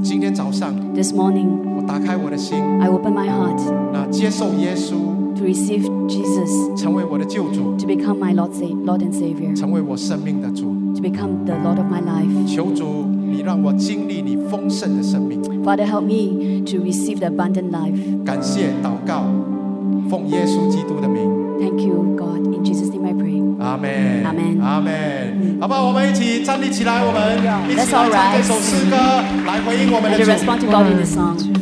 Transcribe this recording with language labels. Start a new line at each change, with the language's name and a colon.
Chinese: 今天早上
English: This morning
Chinese: 我打开我的心
English: I open my heart
Chinese: 那接受耶稣
English: To receive Jesus
Chinese: 成为我的救主
English: To become my Lord and Savior
Chinese: 成为我生命的主
English: To become the Lord of my life
Chinese: 求主你让我经历你丰盛的生命
English: Father help me to receive the abundant life
Chinese: 感谢祷告奉耶稣基督的名
English: Thank you, God. In Jesus' name, I pray. Amen. Amen. Amen.
Chinese: 好吧，我们一起站立起来，我们一起唱这首诗歌，来回应我们的主。
English: Respond to God in this song.